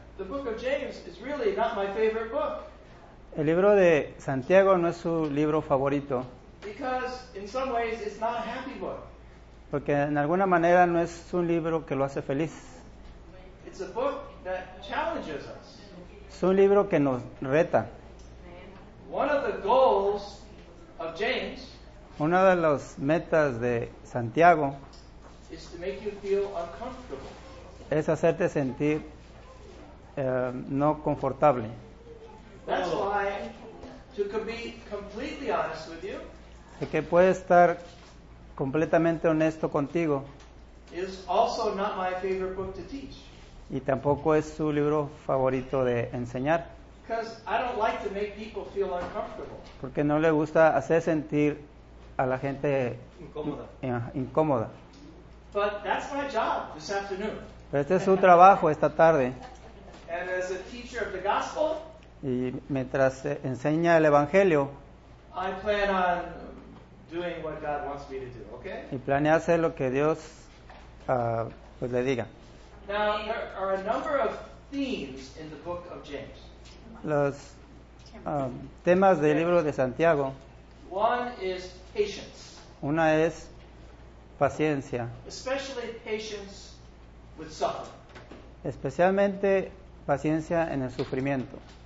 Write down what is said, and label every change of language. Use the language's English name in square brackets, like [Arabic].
[English] the book of James is really not my favorite book. [Spanish] El libro de Santiago no es su libro favorito. [English] Because in some ways it's not a happy book. [Spanish] Porque en alguna manera no es un libro que lo hace feliz. [English] It's a book that challenges us. [Spanish] Es un libro que nos reta. [English] One of the goals of James, [Spanish] una de las metas de Santiago, [English] is to make you feel uncomfortable. [Spanish] Es hacerte sentir no confortable. [English] That's why, to be completely honest with you, [Spanish] de que puede estar completamente honesto contigo, [English] is also not my favorite book to teach. [Spanish] Y tampoco es su libro favorito de enseñar. [English] Because I don't like to make people feel uncomfortable. [Spanish] Porque no le gusta hacer sentir a la gente incómoda. [English] But that's my job this afternoon. [Spanish] Pero este es su trabajo esta tarde. [English] And as a teacher of the gospel, [Spanish] y mientras enseña el evangelio, [English] I plan on doing what God wants me to do, okay? [Spanish] Y planeo hacer lo que Dios pues le diga. [English] Now there are a number of themes in the book of James. [Spanish] Los temas del libro de Santiago. [English] One is patience. [Spanish] Una es paciencia. [English] Especially patience with suffering. [Spanish] Especialmente paciencia en el sufrimiento.